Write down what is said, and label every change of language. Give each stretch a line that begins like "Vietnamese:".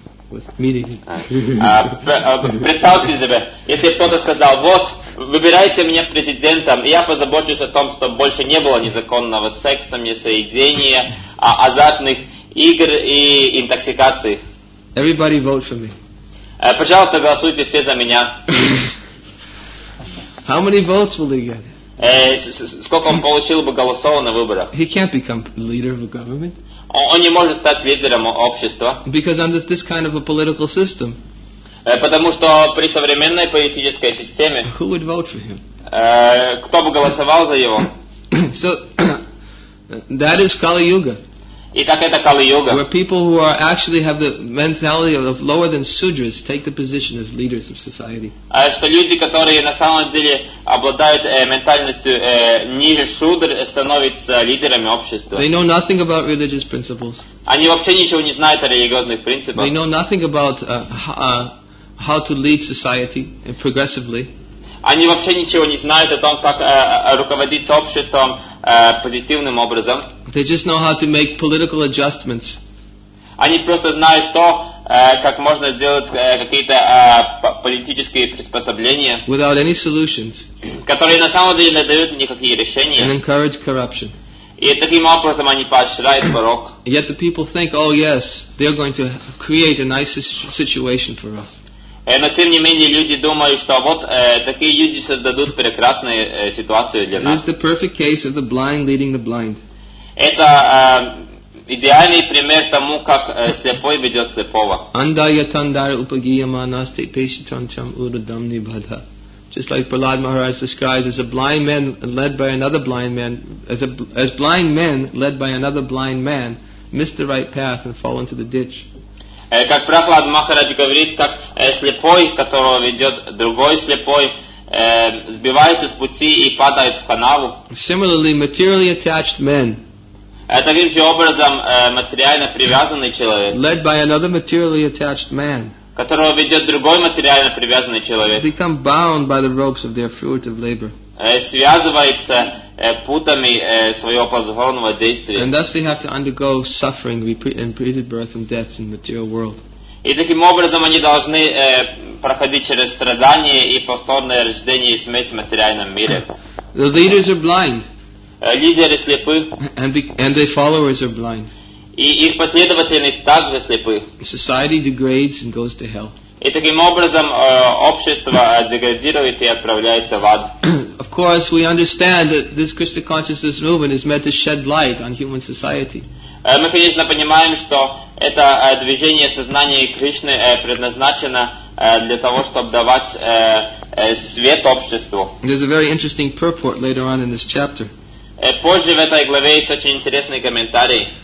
Russian: Представьте себе, если кто-то сказал, вот, выбирайте меня президентом, и я позабочусь о том, чтобы больше не было незаконного секса, несоединения, азартных игр и интоксикации.
English: Everybody vote for me.
Russian: Пожалуйста, голосуйте все за меня.
English: How many votes will he get?
Russian: Сколько он получил бы голосов на выборах?
English: He can't become leader of a government.
Russian: Он не может стать лидером общества.
English: Because under this kind of a political system.
Russian: Потому что при современной политической системе.
English: Who would vote for him?
Russian: Кто бы голосовал за него?
English: So that is Kali Yuga.
Russian: Итак, это Kali Yuga.
English: Where people who are actually have the mentality of lower than sudras take the position as leaders of society.
Russian: Что люди, которые на самом деле обладают ментальностью ниже шудр, становятся лидерами общества.
English: They know nothing about religious principles.
Russian: Они вообще ничего не знают о религиозных принципах.
English: They know nothing about how to lead society progressively.
Russian: Они вообще ничего не знают о том, как руководить обществом позитивным образом.
English: They just know how to make political adjustments.
Russian: Они просто знают то, как можно сделать какие-то политические приспособления.
English: Without any solutions.
Russian: Которые на самом деле не дают никакие решения.
English: And encourage corruption.
Russian: И таким образом они поощряют порок.
English: Yet the people think, oh yes, they're going to create a nice situation for us.
Russian: Но тем не менее люди думают, что вот такие люди создадут прекрасную ситуацию для нас.
English: It is the perfect case of the blind leading the blind.
Russian: Это идеальный пример тому, как слепой ведет слепого.
Sanskrit: Андая тандар упагиема насте пешитанчам урадамни бхада.
English: Just like Prahlad Maharaj describes, as a blind man led by another blind man, as blind men led by another blind man, miss the right path and fall into the ditch.
Russian: Как Прахлад Махарадж говорит, как слепой, которого ведет другой слепой, сбивается с пути и падает в канаву.
English: Similarly, materially attached men.
Russian: Таким же образом, материально привязанный человек.
English: Led by another materially attached man.
Russian: которого ведет другой материально привязанный человек,
English: become bound by the ropes of their fruitive labor.
Russian: Связывается путами своего плодотворного действия.
English: And thus they have to undergo suffering, repeated birth and death in the material world.
Russian: И таким образом они должны проходить через страдания и повторное рождение и смерть в материальном мире.
English: The leaders are blind.
Russian: Лидеры слепы.
English: And their followers are blind.
Russian: И их последователи также слепы.
English: Society degrades and goes to hell.
Russian: И таким образом общество деградирует и отправляется в ад.
English: Of course, we understand that this Krishna consciousness movement is meant to shed light on human society.
Russian: Мы, конечно, понимаем, что это движение сознания Кришны предназначено для того, чтобы давать свет обществу.
English: There's a very interesting purport later on in this chapter.
Russian: Позже в этой главе есть очень интересный комментарий.